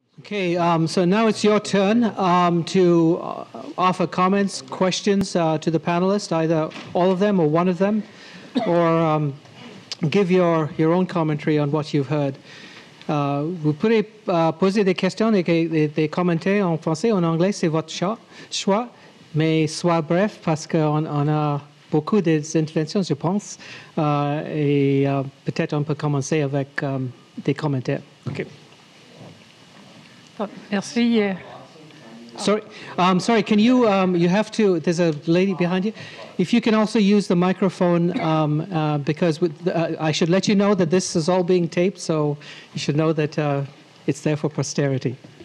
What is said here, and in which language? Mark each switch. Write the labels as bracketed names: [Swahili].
[English] Okay, so now it's your turn to offer comments, questions to the panelists, either all of them or one of them, or give your own commentary on what you've heard. [French] Vous pouvez poser des questions et des commentaires en français ou en anglais, c'est votre choix, mais soit bref, parce qu'on a beaucoup d'interventions, je pense, et peut-être on peut commencer avec des commentaires. [English] Okay. [French] Merci. [English] Sorry, can you, you have to, there's a lady behind you. If you can also use the microphone, because I should let you know that this is all being taped, so you should know that it's there for posterity.